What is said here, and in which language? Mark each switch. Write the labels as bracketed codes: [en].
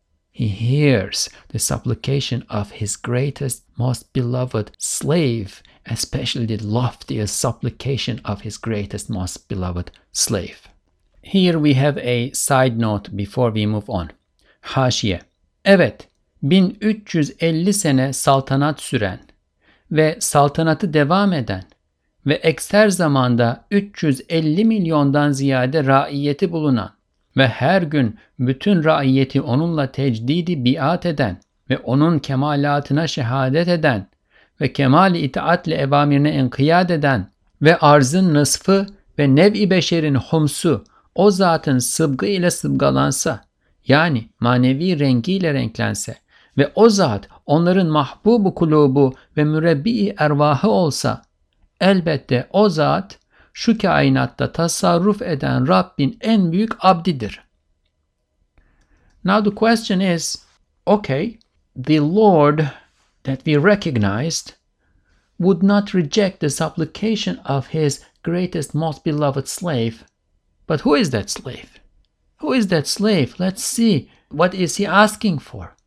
[en] He hears the supplication of his greatest, most beloved slave, especially the loftiest supplication of his greatest, most beloved slave. Here we have a side note before we move on. [tr] Haşiye. Evet, 1350 sene saltanat süren ve saltanatı devam eden ve ekser zamanda 350 milyondan ziyade raiyeti bulunan ve her gün bütün raiyeti onunla tecdidi biat eden ve onun kemalatına şehadet eden ve kemal-i itaatle evamirine inkiyat eden ve arzın nısfı ve nev-i beşerin humsu o zatın sıbgı ile sıbgalansa, yani manevi rengiyle renklense ve o zat onların mahbub-u kulubu ve mürebbi-i ervahı olsa, elbette o zat şu kainatta tasarruf eden Rabbin en büyük abdidir. [en] Now the question is, okay, the Lord that we recognized would not reject the supplication of his greatest, most beloved slave. But who is that slave? Who is that slave? Let's see, what is he asking for?